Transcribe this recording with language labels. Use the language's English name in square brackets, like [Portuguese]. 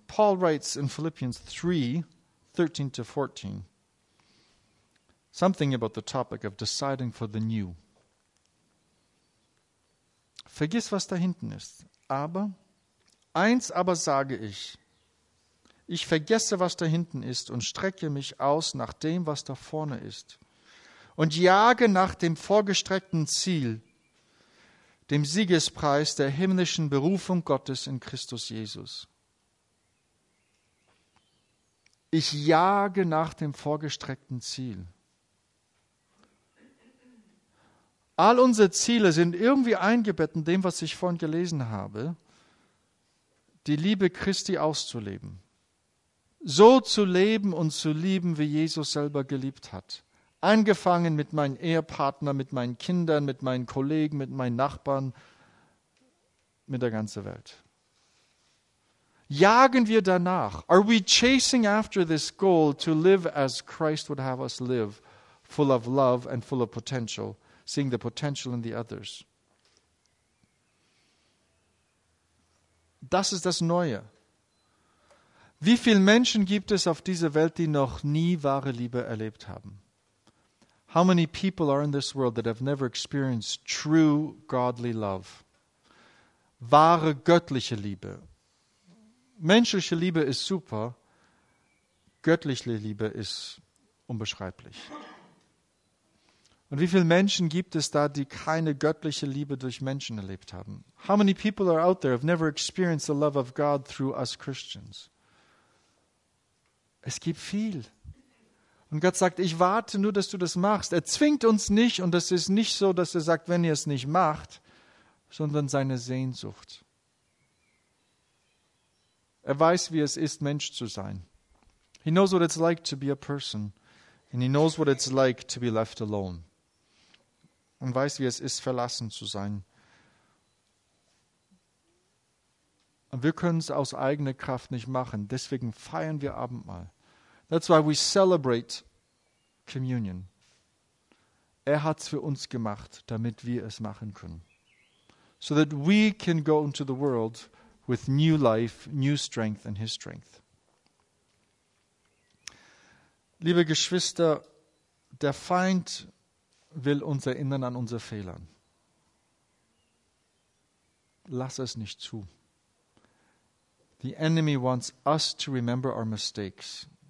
[English] Paul writes in Philippians 3, 13 to 14, something about the topic of deciding for the new. [German] Vergiss, was da hinten ist. Aber eins aber sage ich, ich vergesse, was da hinten ist und strecke mich aus nach dem, was da vorne ist und jage nach dem vorgestreckten Ziel, dem Siegespreis der himmlischen Berufung Gottes in Christus Jesus. Ich jage nach dem vorgestreckten Ziel. All unsere Ziele sind irgendwie eingebettet in dem, was ich vorhin gelesen habe, die Liebe Christi auszuleben. So zu leben und zu lieben, wie Jesus selber geliebt hat. Angefangen mit meinem Ehepartner, mit meinen Kindern, mit meinen Kollegen, mit meinen Nachbarn, mit der ganzen Welt. Jagen wir danach? [English] Are we chasing after this goal to live as Christ would have us live, full of love and full of potential, seeing the potential in the others? [German] Das ist das Neue. Wie viele Menschen gibt es auf dieser Welt, die noch nie wahre Liebe erlebt haben? [English] How many people are in this world that have never experienced true godly love? [German] Wahre göttliche Liebe. Menschliche Liebe ist super, göttliche Liebe ist unbeschreiblich. Und wie viele Menschen gibt es da, die keine göttliche Liebe durch Menschen erlebt haben? [English] How many people are out there have never experienced the love of God through us Christians? [German] Es gibt viel. Und Gott sagt, ich warte nur, dass du das machst. Er zwingt uns nicht und es ist nicht so, dass er sagt, wenn ihr es nicht macht, sondern seine Sehnsucht. Er weiß, wie es ist, Mensch zu sein. [English] He knows what it's like to be a person. And he knows what it's like to be left alone. [German] Und weiß, wie es ist, verlassen zu sein. Und wir können es aus eigener Kraft nicht machen. Deswegen feiern wir Abendmahl. [English] That's why we celebrate communion. [German] Er hat es für uns gemacht, damit wir es machen können. [English] So that we can go into the world with new life, new strength and his strength. [German] Liebe Geschwister, der Feind will uns erinnern an unsere Fehlern. Lass es nicht zu. [English] The enemy wants us to remember our mistakes.